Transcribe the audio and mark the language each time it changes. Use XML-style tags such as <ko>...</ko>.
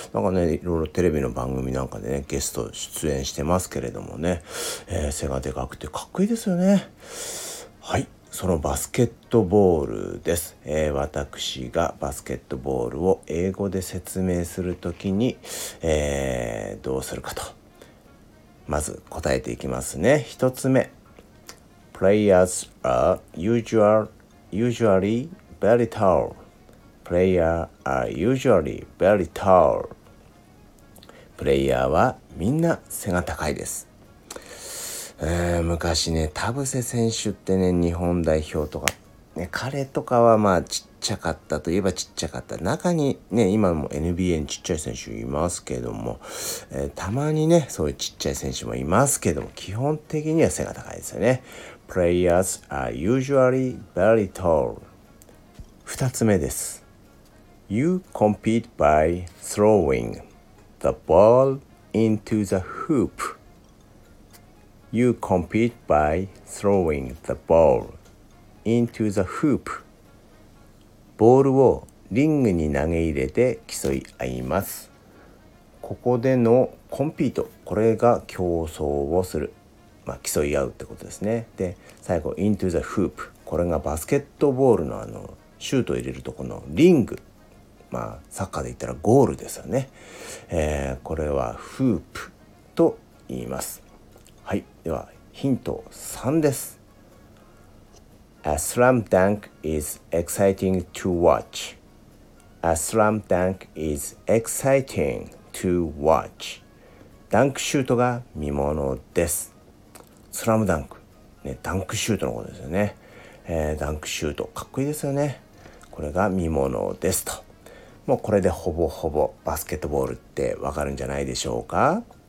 <ja>なんかね、いろいろテレビの番組なんかでね、ゲスト出演してますけれどもね、背がでかくてかっこいいですよね。はい、そのバスケットボールです。私がバスケットボールを英語で説明するときに、どうするかと。まず答えていきますね。一つ目。</ja> <en>Players are usually very tall. Players are usually very tall.</en> <ja>プレイヤーはみんな背が高いです。昔ね、田臥選手ってね、日本代表とか、ね、彼とかはまあちっちゃかったといえばちっちゃかった。中にね、今も NBA にちっちゃい選手いますけども、たまにね、そういうちっちゃい選手もいますけども、基本的には背が高いですよね。</ja> <en>Players are usually very tall.</en> <ja>二つ目です。</ja> <en>You compete by throwing the ball into the hoop. You compete by throwing the ball into the hoop.</en> <ja>ボールをリングに投げ入れて競い合います。ここでのコンピート、これが競争をする。まあ、競い合うってことですね。で、最後、</ja> <en>into the hoop。</en> <ja>これがバスケットボールのあの、シュートを入れるとこのリング。まあ、サッカーで言ったらゴールですよね。これはフープと言います。はい。では、ヒント3です。 A slam dunk is exciting to watch. A slam dunk is exciting to watch. ダンクシュートが見物です。スラムダンク、ね、ダンクシュートのことですよね。ダンクシュートかっこいいですよね。これが見ものですと。もうこれでほぼほぼバスケットボールってわかるんじゃないでしょうか。</ja>